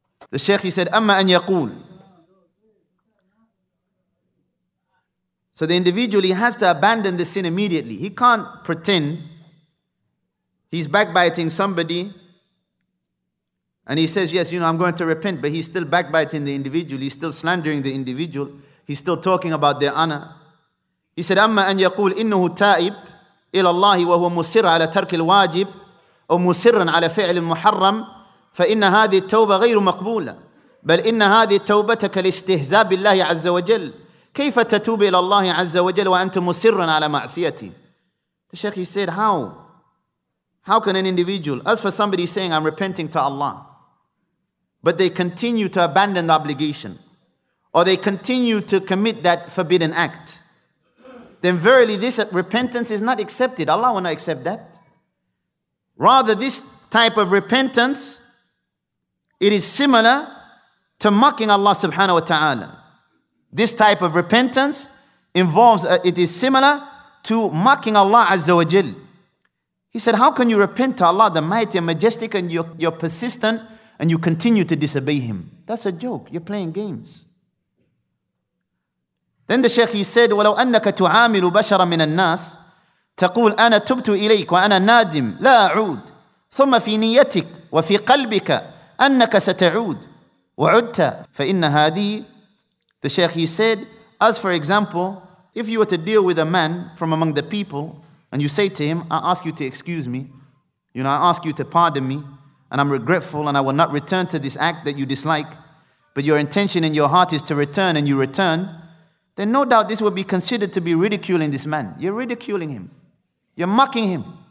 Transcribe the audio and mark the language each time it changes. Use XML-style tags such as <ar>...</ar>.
<en>The Shaykh, he said,</en> <ar>أَمَّا أَنْ يَقُولُ,</ar> <en>so the individual, he has to abandon the sin immediately. He can't pretend he's backbiting somebody and he says, yes, you know, I'm going to repent, but he's still backbiting the individual, he's still slandering the individual, he's still talking about their honor.</en> <ar>He said, أَمَّا أَنْ يَقُولُ إِنَّهُ تَائِبْ إِلَى اللَّهِ وَهُوَ مُصِرَّ عَلَى تَرْكِ الْوَاجِبِ أو مسرا على فعل المحرم فإن هذه التوبة غير مقبولة بل إن هذه توبتك لاستهزاء بالله عز وجل كيف تتوب إلى الله عز وجل وأنت مسرا على معصيتي.</ar> <en>The Shaykh, he said, how can an individual, as for somebody saying I'm repenting to Allah, but they continue to abandon the obligation, or they continue to commit that forbidden act, then verily this repentance is not accepted. Allah will not accept that. Rather, this type of repentance, it is similar to mocking Allah subhanahu wa ta'ala. This type of repentance involves, it is similar to mocking Allah azza wa jal. He said, how can you repent to Allah, the mighty and majestic, and you're persistent, and you continue to disobey Him? That's a joke. You're playing games.</en> <ar>Then the Shaykh, he said, وَلَوْ أَنَّكَ تُعَامِلُ بَشَرًا مِنَ النَّاسِ تَقُولْ أَنَا تُبْتُ إِلَيْكَ وَأَنَا نَادِمْ لَا أَعُودْ ثُمَّ فِي نِيَّتِكَ وَفِي قَلْبِكَ أَنَّكَ سَتَعُودْ وَعُدْتَ فَإِنَّ هَذِي.</ar> <en>The Shaykh, he said, as for example, if you were to deal with a man from among the people, and you say to him, I ask you to excuse me, you know, I ask you to pardon me, and I'm regretful, and I will not return to this act that you dislike, but your intention in your heart is to return, and you return, then no doubt this would be considered to be ridiculing this man. You're ridiculing him. You're mocking him.</en>